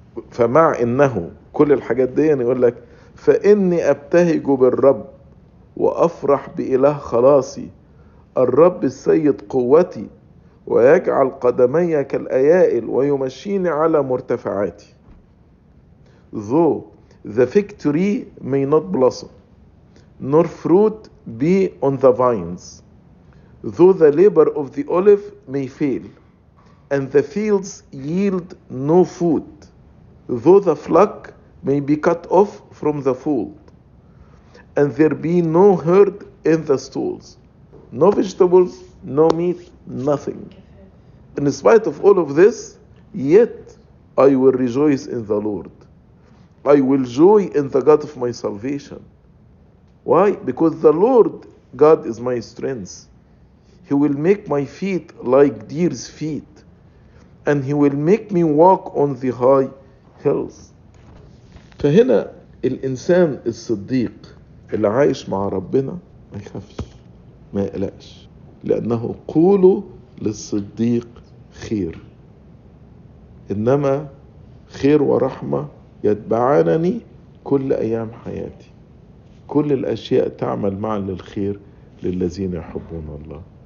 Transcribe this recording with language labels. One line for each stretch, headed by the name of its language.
Arabic: فمع انه كل الحاجات دي يقول لك فاني ابتهج بالرب وافرح باله خلاصي، الرب السيد قوتي ويجعل قدمي كالايائل ويمشيني على مرتفعاتي.
English: Though the fig tree may not blossom nor fruit be on the vines, though the labor of the olive may fail and the fields yield no food, though the flock may be cut off from the fold, and there be no herd in the stalls, no vegetables, no meat, nothing. In spite of all of this, yet I will rejoice in the Lord. I will joy in the God of my salvation. Why? Because the Lord God is my strength. He will make my feet like deer's feet, and He will make me walk on the high.
Arabic: فهنا الإنسان الصديق اللي عايش مع ربنا ما يخافش، ما يقلقش، لأنه قولوا للصديق خير، إنما خير ورحمة يتبعانني كل أيام حياتي، كل الأشياء تعمل معا للخير للذين يحبون الله.